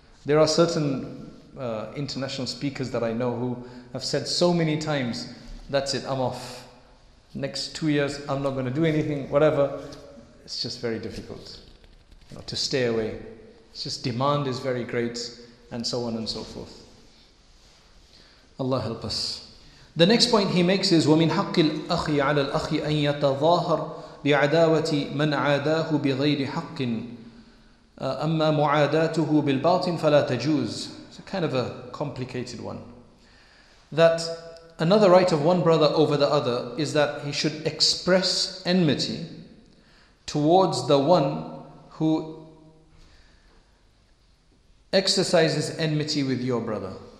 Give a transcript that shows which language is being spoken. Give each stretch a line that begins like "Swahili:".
English: There are certain international speakers that I know who have said so many times, that's it, I'm off. Next 2 years, I'm not going to do anything, whatever. It's just very difficult, you know, to stay away. It's just demand is very great, and so on and so forth. Allah help us. The next point he makes is,
Arabic: وَمِنْ حَقِّ الْأَخِي عَلَى الْأَخِي أَنْ يَتَظَاهَرْ بِعَدَاوَةِ مَنْ عَادَاهُ بِغَيْرِ حَقٍ أَمَّا مُعَادَاتُهُ بِالْبَاطِنِ فَلَا تَجُوزُ.
English: It's a kind of a complicated one. That another right of one brother over the other is that he should express enmity towards the one who exercises enmity with your brother.